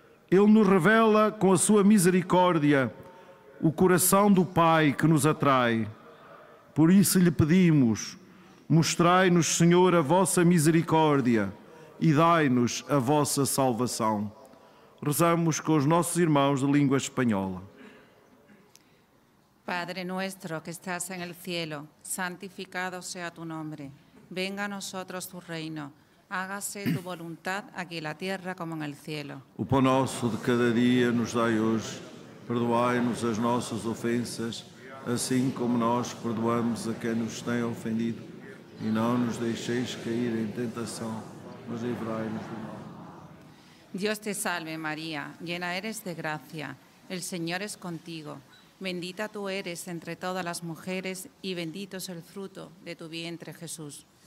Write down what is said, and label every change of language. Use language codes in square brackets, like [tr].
[pt] Ele nos revela, com a sua misericórdia, o coração do Pai que nos atrai. Por isso lhe pedimos: mostrai-nos, Senhor, a vossa misericórdia e dai-nos a vossa salvação. Rezamos com os nossos irmãos de língua espanhola. [es] Padre nuestro que estás en el cielo, santificado sea tu nombre. Venga a nosotros tu reino. Hágase tu voluntad [pt] aqui na terra [es] como en el cielo. [pt] O pão nosso de cada dia nos dai hoje. Perdoai-nos as nossas ofensas, assim como nós perdoamos a quem nos tem ofendido. E não nos deixeis cair em tentação, mas livrai-nos do mal. [es] Dios te salve, María, llena eres de gracia. El Señor es contigo. Bendita tú eres entre todas las mujeres y bendito es el fruto de tu vientre, Jesús.